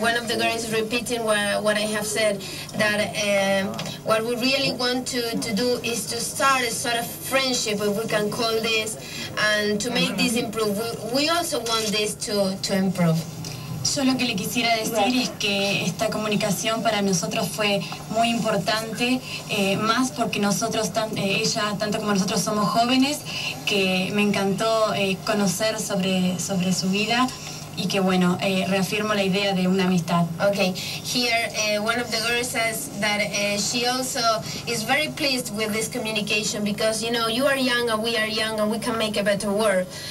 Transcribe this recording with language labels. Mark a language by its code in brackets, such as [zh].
[en] One of the girls repeating what I have said, that what we really want to do is to start a sort of friendship, if we can call this, and to make this improve. We also want this to improve. [es] Yo lo que le quisiera decir es que esta comunicación para nosotros fue muy importante, más porque nosotros, ella tanto como nosotros somos jóvenes, que me encantó conocer sobre su vida y que bueno, reafirmo la idea de una amistad. [en] Okay, here one of the girls says that she also is very pleased with this communication because, you know, you are young and we are young and we can make a better world.